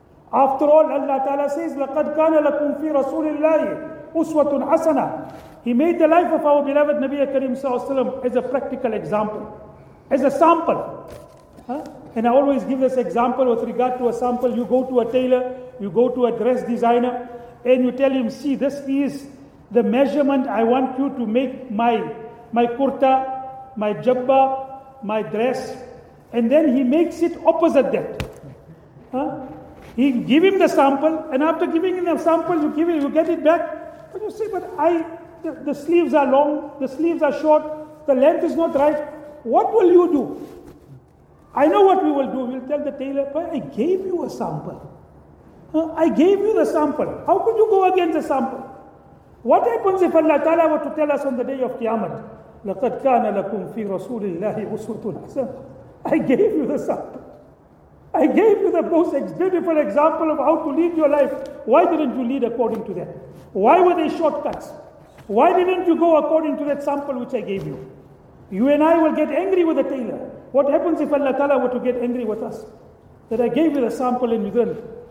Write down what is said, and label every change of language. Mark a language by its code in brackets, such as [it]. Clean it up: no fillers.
[en] After all, Allah Ta'ala says, [ar] لَقَدْ كَانَ لَكُمْ فِي رَسُولِ اللَّهِ أُسْوَةٌ حَسَنَةٌ. [en] He made the life of our beloved Nabi Karim sallallahu alaihi wasallam as a practical example, as a sample. And I always give this example with regard to a sample. You go to a tailor, you go to a dress designer, and you tell him, see, this is the measurement I want you to make my kurta, my jabba, my dress, and then he makes it opposite that. He give him the sample, and after giving him the sample, you get it back. But you say, but the sleeves are long, the sleeves are short, the length is not right. What will you do? I know what we will do. We'll tell the tailor, but I gave you a sample. I gave you the sample. How could you go against the sample? What happens if Allah Ta'ala were to tell us on the day of Qiyamah? [ar] لَقَدْ كَانَ لَكُمْ فِي رَسُولِ اللَّهِ أُسْوَةٌ حَسَنَةٌ. [en] I gave you the sample. I gave you the most beautiful example of how to lead your life. Why didn't you lead according to that? Why were they shortcuts? Why didn't you go according to that sample which I gave you? You and I will get angry with the tailor. What happens if Allah Ta'ala were to get angry with us? That I gave you the sample and you didn't.